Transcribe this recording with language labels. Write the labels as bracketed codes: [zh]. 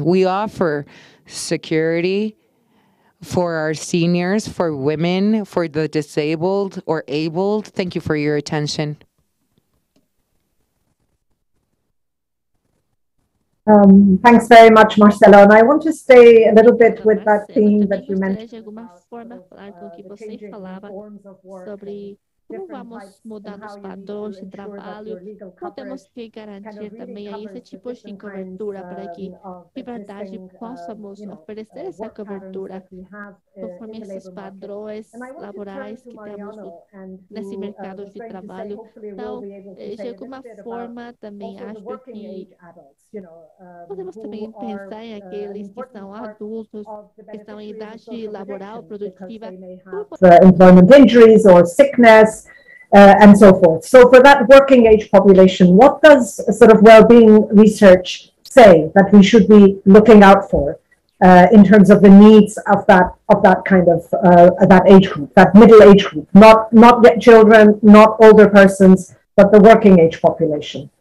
[en] We offer security for our seniors, for women, for the disabled or abled. Thank you for your attention. Thanks very much, Marcelo. And I want to stay a little bit with that theme that you mentioned about the changing forms of work. [pt] Como vamos mudar os padrões de trabalho, como temos que garantir também esse tipo de cobertura para que, de verdade, possamos oferecer essa cobertura conforme esses padrões laborais que temos nesse mercado de trabalho. Então, de alguma forma, também acho que podemos também pensar em aqueles que são adultos, que estão em idade laboral produtiva. [en] Employment injuries or sickness. And so forth. So for that working age population, what does a sort of well-being research say that we should be looking out for in terms of the needs of that kind of that age group, that middle age group, not yet children, not older persons, but the working age population?